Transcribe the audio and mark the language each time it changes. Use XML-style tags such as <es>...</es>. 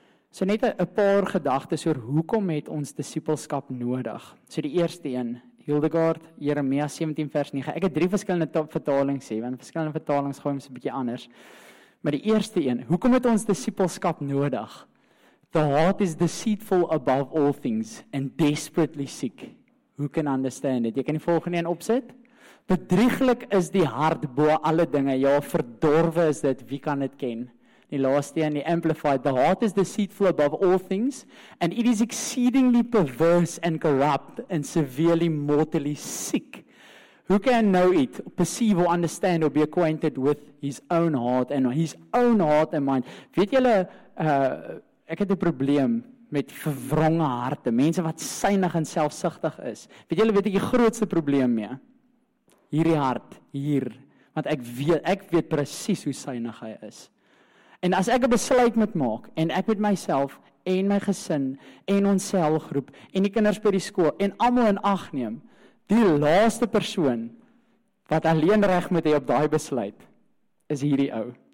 <af>So net 'n paar gedagtes oor hoekom het ons dissipelskap nodig. So die eerste een, Hildegard, Jeremia 17 vers 9. Ek het 3 verskillende vertalings sê, want verskillende vertalings gooi ons 'n bietjie anders. Maar die eerste een, hoekom het ons dissipelskap nodig?</af> <en>The heart is deceitful above all things and desperately sick. Who can understand it?</en> <af>Jy kan die volgende een opsit. Bedrieglik is die hart bo alle dinge. Ja, verdorwe is dit. Wie kan dit ken? Die laaste een, die Amplified.</af> <en>The heart is deceitful above all things, and it is exceedingly perverse and corrupt, and severely mortally sick. Who can know it, perceive or understand, or be acquainted with his own heart, and his own heart and mind?</en> <af>Weet julle, ek het 'n probleem met verwronge harte. Mense wat synig en selfsugtig is. Weet julle, weet ek die grootste probleem mee? Hierdie hart, hier, want ek weet presies hoe synig hy is. En as ek 'n besluit moet maak, en ek met myself, en my gesin, en ons selgroep, en die kinders by die skool, en almal in ag neem, die laaste persoon, wat alleen reg moet hê op daai besluit, is hierdie ou.</af>